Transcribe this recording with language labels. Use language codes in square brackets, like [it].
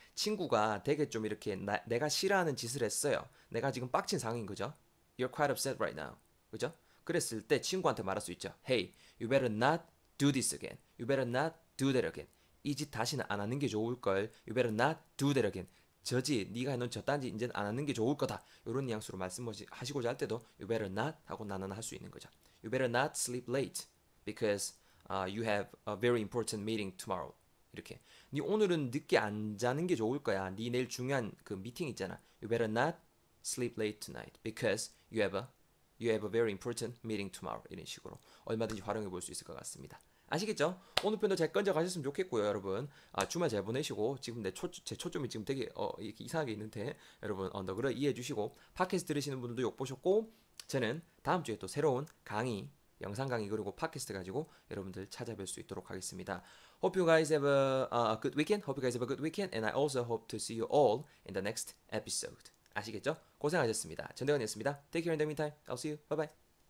[ko] 친구가 되게 좀 이렇게 내가 싫어하는 짓을 했어요. 내가 지금 빡친 상황인 거죠? [en] You're quite upset right now. [ko] 그죠? 그랬을 때 친구한테 말할 수 있죠. [en] Hey, you better not do this again. You better not do that again. [ko] 이짓 다시는 안 하는 게 좋을 걸. [en] You better not do that again. [ko] 저지, 네가 해놓은 저딴지 이제는 안 하는 게 좋을 거다. 이런 뉘앙스로 말씀하시고자 할 때도 [en] You better not [ko] 하고 나는 할수 있는 거죠. [en] You better not sleep late because you have a very important meeting tomorrow. [ko] 이렇게. 네 오늘은 늦게 안 자는 게 좋을 거야. 네 내일 중요한 그 미팅 있잖아. [en] You better not sleep late tonight because you have a very important meeting tomorrow. [ko] 이런 식으로 얼마든지 활용해 볼수 있을 것 같습니다. 아시겠죠? 오늘 편도 잘 건져 가셨으면 좋겠고요, 여러분. 주말 잘 보내시고, 지금 제 초점이 지금 되게, 이렇게 이상하게 있는데, 여러분, 너그러 이해해 주시고, 팟캐스트 들으시는 분들도 욕 보셨고, 저는 다음 주에 또 새로운 강의, 영상 강의, 그리고 팟캐스트 가지고 여러분들 찾아뵐 수 있도록 하겠습니다. [en] Hope you guys have a good weekend. Hope you guys have a good weekend. And I also hope to see you all in the next episode. [ko] 아시겠죠? 고생하셨습니다. [en] 전대건이었습니다. Take care in the meantime. I'll see you. Bye bye.